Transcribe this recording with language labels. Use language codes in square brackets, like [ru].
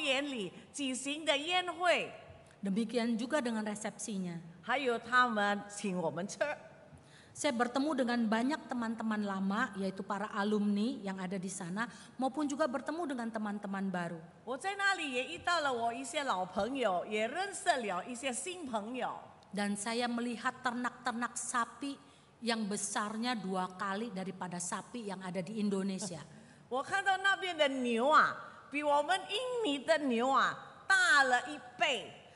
[zh] 他也邀请我参加在葡萄园里举行的宴会。 [id] Demikian juga dengan resepsinya. [zh] 还有他们请我们吃。 [id] Saya bertemu dengan banyak teman-teman lama, yaitu para alumni yang ada di sana, maupun juga bertemu dengan teman-teman baru. [zh] 我在那里也遇到了我一些老朋友，也认识了一些新朋友。 [id] Dan saya melihat ternak-ternak sapi yang besarnya dua kali daripada sapi yang ada di Indonesia. [zh] 我看到那边的牛啊，比我们印尼的牛啊大了一倍。